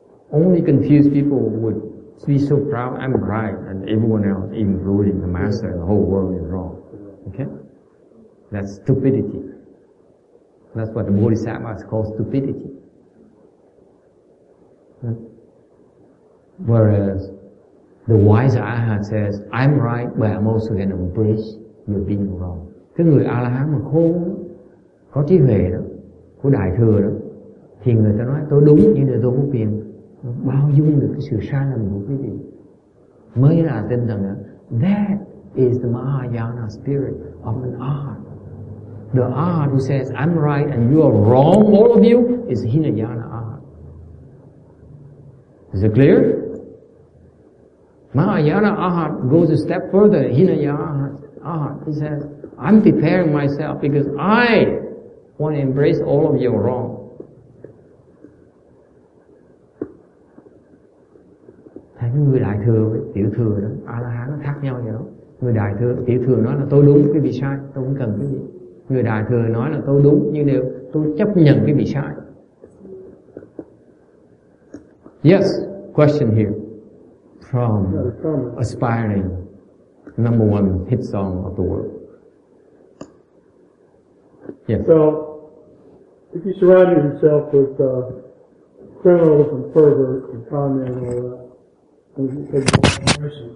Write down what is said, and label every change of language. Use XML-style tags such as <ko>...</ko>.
<en>Only confused people would be so proud I'm right and everyone else, including the master and the whole world, is wrong. Okay? That's stupidity. That's what the Bodhisattvas call stupidity. Whereas the wise Arhat says, I'm right, but I'm also going to embrace your being wrong.</en> <vi>Cái người A-la-hán mà khôn, có trí huệ đó, của Đại Thừa đó, thì người ta nói tôi đúng nhưng là tôi không phiền. Bao dung được cái sự sai lầm của quý vị. Mới là tinh thần đó.</vi> <en>That is the Mahayana spirit of an Arhat. The Arhat who says, I'm right and you are wrong, all of you, is Hinayana Arhat. Is it clear? Mahayana Arhat goes a step further. Hinayana Arhat, he says, I'm preparing myself because I want to embrace all of your wrong.</en> <vi>Thấy người Đại Thừa với Tiểu Thừa đó, A-la-hán nó khác nhau vậy đó. Người Đại Thừa, Tiểu Thừa nói là tôi đúng, cái vị sai, tôi không cần cái gì. Người Đại Thừa nói là tôi đúng, nhưng nếu tôi chấp nhận cái bị sai.</vi> <en>Yes, question here. From aspiring number one hit song of the world. Yes. So, if you surround yourself with criminals and perverts and con men and all that,</en>